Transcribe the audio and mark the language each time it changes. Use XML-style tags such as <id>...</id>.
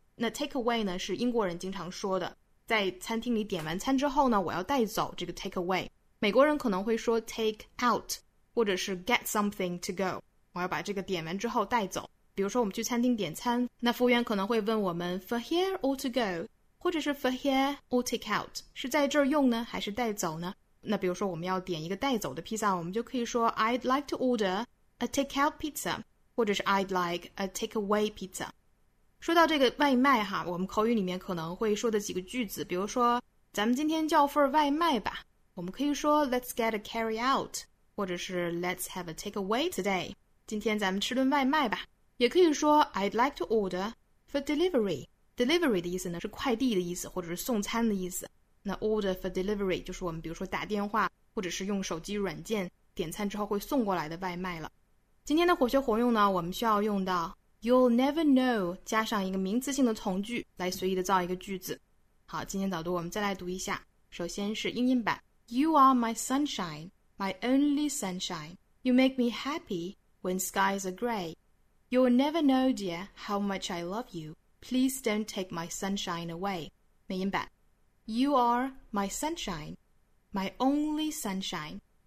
<zh>那 take away 呢是英国人经常说的，在餐厅里点完餐之后呢，我要带走，这个 take away。美国人可能会说 take out， 或者是</zh> <en>get something to go，</en> <zh>我要把这个点完之后带走。比如说我们去餐厅点餐，那服务员可能会问我们</zh> <en>for here or to go，</en> <zh>或者是</zh> <en>for here or take out，</en> <zh>是在这儿用呢还是带走呢。那比如说我们要点一个带走的披萨，我们就可以说</zh> <en>I'd like to order a take out pizza，</en> <zh>或者是</zh> <en>I'd like a take away pizza。</en> <zh>说到这个外卖哈，我们口语里面可能会说的几个句子，比如说咱们今天叫份外卖吧，我们可以说</zh> <en>Let's get a carry out，</en> <zh>或者是</zh> <en>Let's have a take away today，</en> <zh>今天咱们吃顿外卖吧。也可以说</zh> <en>I'd like to order for delivery，</en> <zh>delivery 的意思呢是快递的意思，或者是送餐的意思。那 order for delivery 就是我们比如说打电话或者是用手机软件点餐之后会送过来的外卖了。今天的活学活用呢，我们需要用到</zh> <en>You'll never know</en> <zh>加上一个名词性的从句来随意的造一个句子。好，今天早读我们再来读一下。首先是英音版。</zh> <en>You are my sunshine, my only sunshine. You make me happy when skies are grey. You'll never know, dear, how much I love you. Please don't take my sunshine away.</en> <zh>美音版。</zh> <en>You are my sunshine, my only sunshine.</en>